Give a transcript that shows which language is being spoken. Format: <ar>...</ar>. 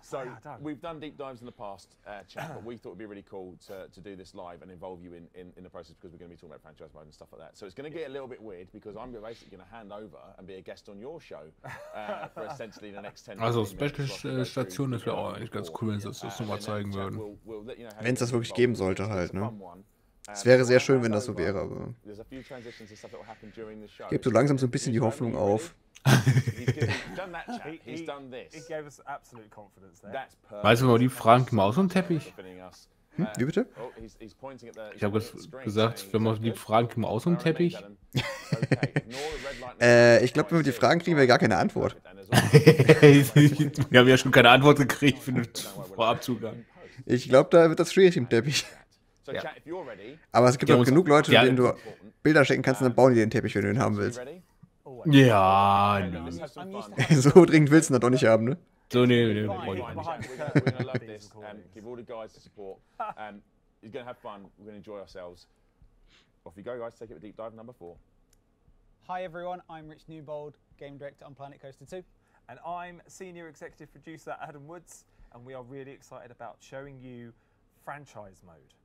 <en>So we've done deep dives in the past, chat, but we thought it'd be really cool to do this live and involve you in the process because we're going to be talking about franchise mode and stuff like that. So it's going to get a little bit weird because I'm basically going to hand over and be a guest on your show for essentially the next 10</en> <de>also Special Station ist ja auch eigentlich ganz cool, wenn sie es uns nochmal zeigen würden. Wenn es das wirklich geben sollte halt, ne? Es wäre sehr schön, wenn das so wäre, aber ich gebe so langsam so ein bisschen die Hoffnung auf. Weißt du, wenn wir die fragen, gib mal auch so einen Teppich. Wie bitte? Ich habe gesagt, wenn wir die fragen, gib mal auch so einen Teppich. Ich glaube, wenn wir die fragen, kriegen wir gar keine Antwort. Wir haben ja schon keine Antwort gekriegt für den Vorabzugang. Ich glaube, da wird das schwierig im Teppich.</de> <en>So, chat, if you're ready.</en> <de>Aber es gibt auch genug Leute, denen du Bilder schicken kannst, und dann bauen die den Teppich, wenn du ihn haben willst. Ja, so dringend willst du ihn doch nicht haben, ne? So, nee,</de> <en>give all the guys the support. You're gonna have fun, we're gonna enjoy ourselves. Off you go, guys, take it with deep dive number 4. Hi everyone, I'm Rich Newbold, Game Director on Planet Coaster 2. And I'm Senior Executive Producer Adam Woods, and we are really excited about showing you Franchise Mode.</en>